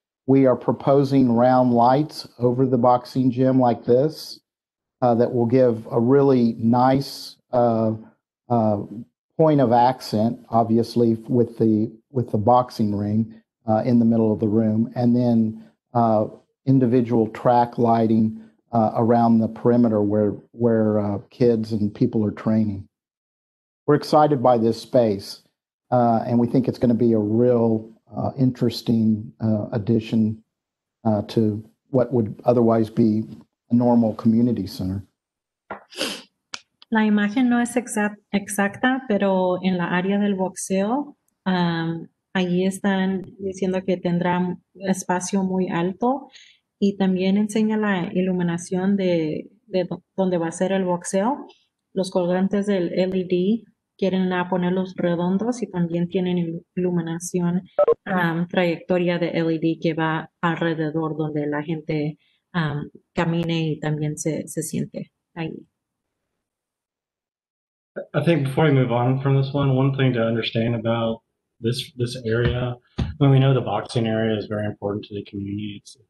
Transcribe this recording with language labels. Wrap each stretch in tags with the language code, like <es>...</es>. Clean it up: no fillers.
<en>We are proposing round lights over the boxing gym like this that will give a really nice point of accent, obviously, with the boxing ring in the middle of the room, and then individual track lighting around the perimeter where kids and people are training. We're excited by this space, and we think it's going to be a real interesting addition to what would otherwise be a normal community center.</en> <es>La imagen no es exacta, pero en la área del boxeo, ahí están diciendo que tendrá espacio muy alto y también enseña la iluminación de donde va a ser el boxeo. Los colgantes del LED quieren ponerlos redondos y también tienen iluminación trayectoria de LED que va alrededor donde la gente camine y también se siente ahí.</es> <en>I think before we move on from this one thing to understand about this area, I mean, we know the boxing area is very important to the community.</en>